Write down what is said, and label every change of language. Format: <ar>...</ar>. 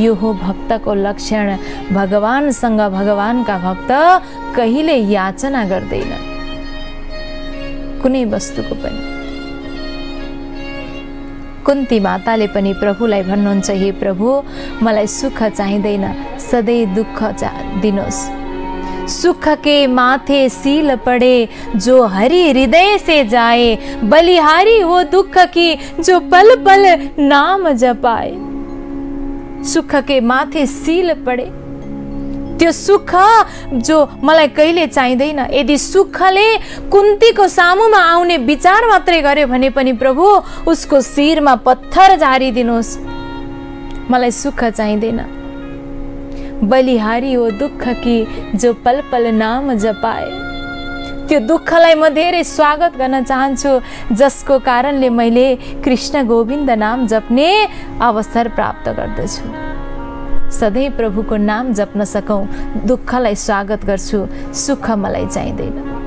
<ne>यो हो भक्तको लक्षण। भगवानसँग भगवानका भक्त कहिले याचना गर्दैन कुनै वस्तुको पनि। कुन्ती माताले पनि प्रभुलाई भन्नुहुन्छ, हे प्रभु, मलाई सुख चाहिँदैन, सधैँ दुःख दिनुहोस्।</ne> <hi>सुख के माथे सील पड़े जो हरि हृदय से जाए, बलिहारी वो दुख की जो पल पल नाम जपाए। सुख के माथे सील पड़े,</hi> <ne>त्यो सुख जो मलाई कहिले चाहिँदैन। यदि सुखले कुन्तीको सामुमा आउने विचार मात्रै गर्यो भने पनि प्रभु उसको शिरमा पत्थर जारी दिनुहोस्, मलाई सुख चाहिँदैन।</ne> <hi>बलिहारी हो दुख की जो पल पल नाम जपाए।</hi> <ne>त्यो दुःखलाई म धेरै स्वागत गर्न चाहन्छु जसको कारणले मैले कृष्ण गोविन्द नाम जप्ने अवसर प्राप्त गर्दछु। सधैँ प्रभुको नाम जप्न सकौँ, दुःखलाई स्वागत गर्छु, सुख मलाई चाहिँदैन।</ne>